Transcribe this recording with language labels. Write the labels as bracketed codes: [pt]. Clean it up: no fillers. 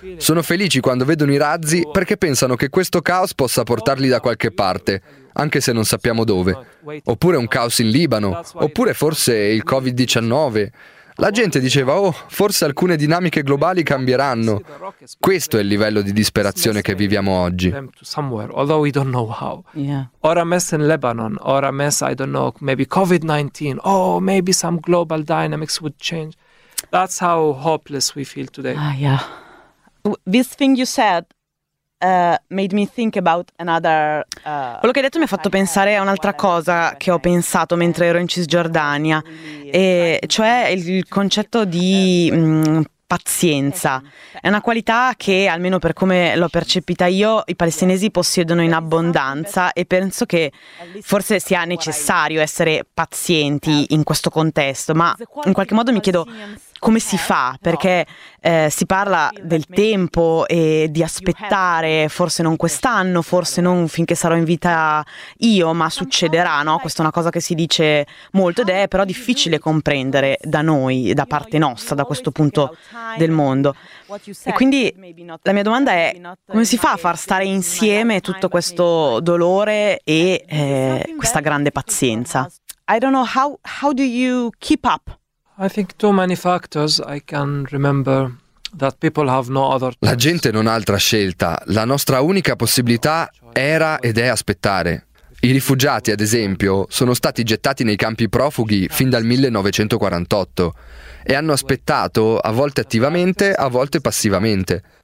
[it] Sono felici quando vedono i razzi, perché pensano che questo caos possa portarli da qualche parte, anche se non sappiamo dove. Oppure un caos in Libano, oppure forse il Covid-19. La gente diceva: oh, forse alcune dinamiche globali cambieranno. Questo è il livello di disperazione che viviamo oggi. [en] Although we don't know how. Yeah. Or a mess in Lebanon, or a mess, I don't know, maybe COVID-19, oh, maybe some global dynamics would change. That's how hopeless we feel today. Ah, yeah. This thing you said made me think about another. [it] Quello che hai detto mi ha fatto pensare a un'altra cosa che ho pensato mentre ero in Cisgiordania, e cioè il concetto di pazienza. È una qualità che, almeno per come l'ho percepita io, i palestinesi possiedono in abbondanza, e penso che forse sia necessario essere pazienti in questo contesto. Ma in qualche modo mi chiedo come si fa, perché si parla del tempo e di aspettare, forse non quest'anno, forse non finché sarò in vita io, ma succederà, no? Questa è una cosa che si dice molto ed è però difficile comprendere da noi, da parte nostra, da questo punto del mondo. E quindi la mia domanda è: come si fa a far stare insieme tutto questo dolore e questa grande pazienza? [en] I don't know, how do you keep up? I think too many factors. I can remember that people have no other choice. [it] La gente non ha altra scelta. La nostra unica possibilità era ed è aspettare. I rifugiati, ad esempio, sono stati gettati nei campi profughi fin dal 1948 e hanno aspettato, a volte attivamente, a volte passivamente.